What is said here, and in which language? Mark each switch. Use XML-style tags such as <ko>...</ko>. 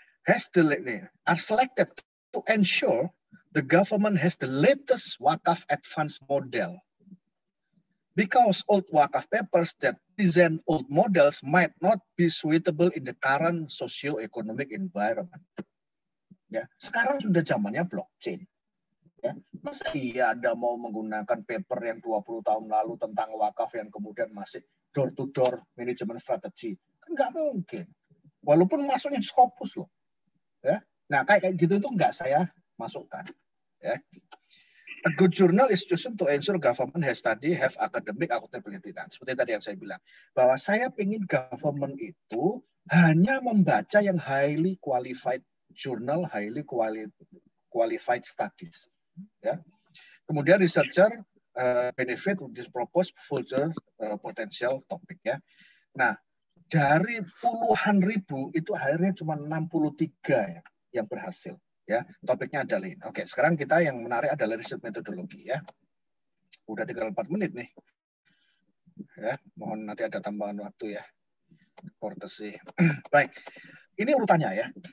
<en>Has the, are selected to ensure the government has the latest wakaf advanced model. Because old wakaf papers that present old models might not be suitable in the current socio-economic environment.</en> <id>Ya, sekarang sudah zamannya blockchain. Ya, masa iya Anda mau menggunakan paper yang 20 tahun lalu tentang wakaf yang kemudian masih</id> <en>door-to-door management strategy?</en> <id>Kan nggak mungkin. Walaupun masuknya Scopus loh. Ya, nah kayak gitu itu nggak saya masukkan. Ya.</id> <en>A good journal is chosen to ensure government has study, have academic accountability.</en> <id>Dan seperti tadi yang saya bilang, bahwa saya ingin government itu hanya membaca yang</id> <en>highly qualified journal, highly qualified studies.</en> <id>Ya.</id> <en>Kemudian researcher benefit with this proposed future potential topic.</en> <id>Ya. Nah, dari puluhan ribu, itu akhirnya cuma 63 ya, yang berhasil. Ya, topiknya adalah ini. Oke, sekarang kita yang menarik adalah riset metodologi ya. Udah 34 menit nih. Ya, mohon nanti ada tambahan waktu ya. Courtesy. Baik. Ini urutannya ya.</id>